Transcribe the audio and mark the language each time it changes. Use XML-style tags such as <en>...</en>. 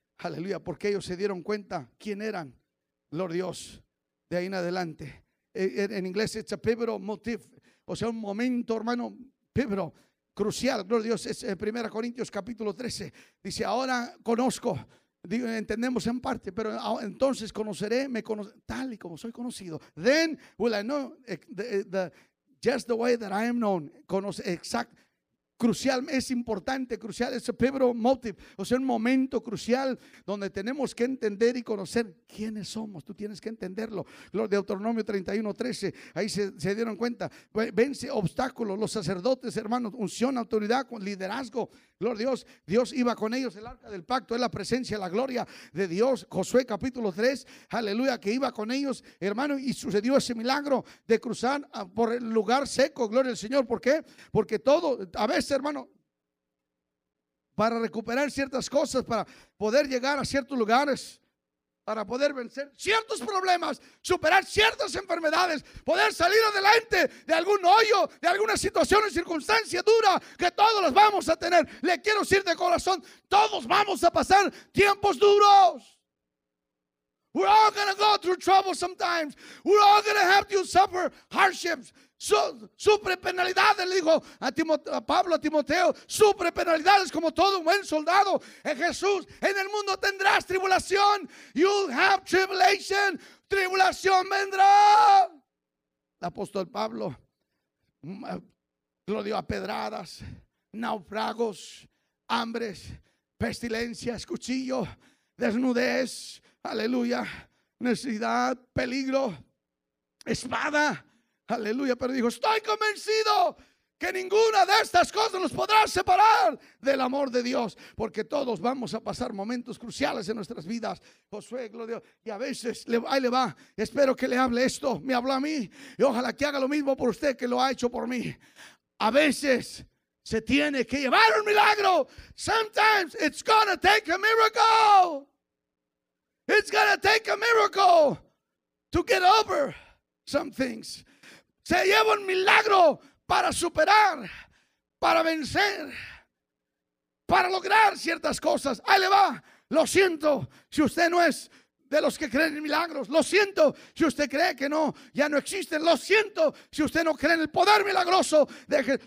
<es>Aleluya, porque ellos se dieron cuenta quién eran, gloria a Dios, de ahí en adelante. En inglés,</es> <en>it's a pivotal motif,</en> <es>o sea, un momento, hermano, pivotal. Crucial, gloria a Dios, es 1 Corintios capítulo 13, dice: ahora conozco, digo, entendemos en parte, pero entonces conoceré, me conoceré, tal y como soy conocido.</es> <en>Then will I know just the way that I am known.</en> <es>Exacto, crucial, es importante, crucial, es</es> <en>a pivotal motive,</en> <es>o sea, un momento crucial donde tenemos que entender y conocer quiénes somos. Tú tienes que entenderlo. Deuteronomio 31:13, ahí se dieron cuenta, vence obstáculos, los sacerdotes, hermanos, unción, autoridad, liderazgo, gloria a Dios, Dios iba con ellos, el arca del pacto es la presencia, la gloria de Dios. Josué capítulo 3, aleluya, que iba con ellos, hermano, y sucedió ese milagro de cruzar por el lugar seco, gloria al Señor. ¿Por qué? Porque todo, a veces, hermano, para recuperar ciertas cosas, para poder llegar a ciertos lugares, para poder vencer ciertos problemas, superar ciertas enfermedades, poder salir adelante de algún hoyo, de alguna situación o circunstancia dura que todos los vamos a tener. Le quiero decir de corazón, todos vamos a pasar tiempos duros.</es> <en>We're all going to go through trouble sometimes. We're all going to have to suffer hardships.</en> <es>Sufre penalidades, le dijo a Pablo, a Timoteo, sufre penalidades como todo un buen soldado. En Jesús, en el mundo tendrás tribulación.</es> <en>You'll have tribulation.</en> <es>Tribulación vendrá. El apóstol Pablo lo dio a pedradas, naufragos, hambres, pestilencias, cuchillo, desnudez, aleluya, necesidad, peligro, espada. Aleluya, pero dijo: estoy convencido que ninguna de estas cosas nos podrá separar del amor de Dios, porque todos vamos a pasar momentos cruciales en nuestras vidas. Josué, gloria a Dios, y a veces, ahí le va, espero que le hable esto, me habló a mí, y ojalá que haga lo mismo por usted que lo ha hecho por mí. A veces se tiene que llevar un milagro.</es> <en>Sometimes it's gonna take a miracle. It's gonna take a miracle to get over some things.</en> <es>Se lleva un milagro para superar, para vencer, para lograr ciertas cosas. Ahí le va, lo siento si usted no es de los que creen en milagros. Lo siento si usted cree que no, ya no existen. Lo siento si usted no cree en el poder milagroso de Jesús.</es>